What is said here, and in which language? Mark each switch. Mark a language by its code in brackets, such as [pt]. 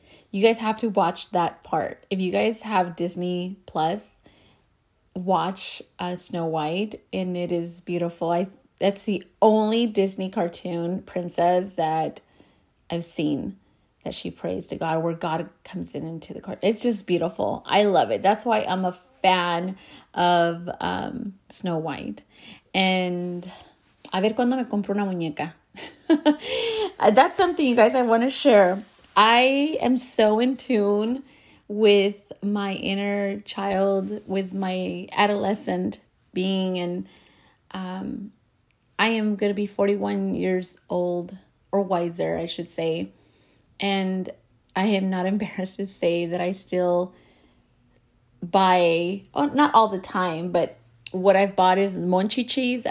[en] You guys have to watch that part. If you guys have Disney Plus, watch Snow White, and it is beautiful. That's the only Disney cartoon princess that I've seen that she prays to God, where God comes in into the cartoon. It's just beautiful. I love it. That's why I'm a fan of Snow White. [es] And a ver cuando me compro una muñeca. [en] That's something, you guys, I want to share. I am so in tune with my inner child, with my adolescent being, and I am going to be 41 years old, or wiser, I should say, and I am not embarrassed to say that I still buy, well, not all the time, but what I've bought is Monchi Cheese.